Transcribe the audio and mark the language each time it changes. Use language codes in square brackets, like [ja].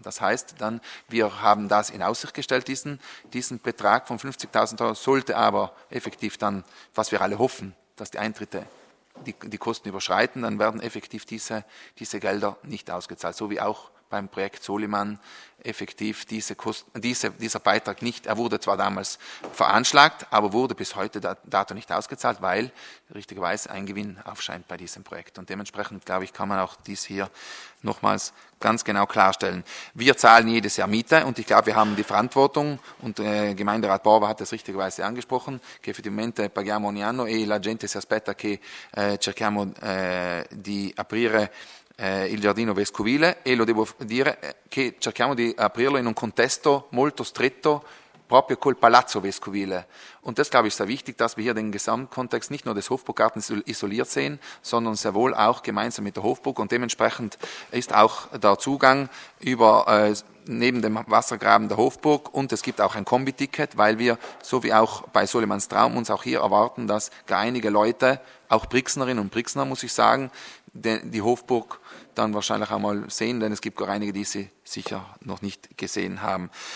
[de] Das heißt dann, wir haben das in Aussicht gestellt, diesen Betrag von 50.000 Euro, sollte aber effektiv dann, was wir alle hoffen, dass die Eintritte die Kosten überschreiten, dann werden effektiv diese Gelder nicht ausgezahlt, so wie auch beim Projekt Soliman effektiv dieser Beitrag nicht. Er wurde zwar damals veranschlagt, aber wurde bis heute dato nicht ausgezahlt, weil richtigerweise ein Gewinn aufscheint bei diesem Projekt. Und dementsprechend, glaube ich, kann man auch dies hier nochmals ganz genau klarstellen. Wir zahlen jedes Jahr Miete und ich glaube, wir haben die Verantwortung, und Gemeinderat Borba hat das richtigerweise angesprochen, [it] che effettivamente paghiamo ogni anno e la gente si aspetta che cerchiamo di aprire il giardino vescovile, e lo devo dire che cerchiamo di aprirlo in un contesto molto stretto proprio col Palazzo Vescovile. [de] Und das, glaube ich, ist sehr wichtig, dass wir hier den Gesamtkontext nicht nur des Hofburggartens isoliert sehen, sondern sehr wohl auch gemeinsam mit der Hofburg. Und dementsprechend ist auch der Zugang über neben dem Wassergraben der Hofburg, und es gibt auch ein Kombi-Ticket, weil wir, so wie auch bei Solimans Traum, uns auch hier erwarten, dass gar einige Leute, auch Brixnerinnen und Brixner, muss ich sagen, die Hofburg dann wahrscheinlich einmal sehen, denn es gibt gar einige, die sie sicher noch nicht gesehen haben.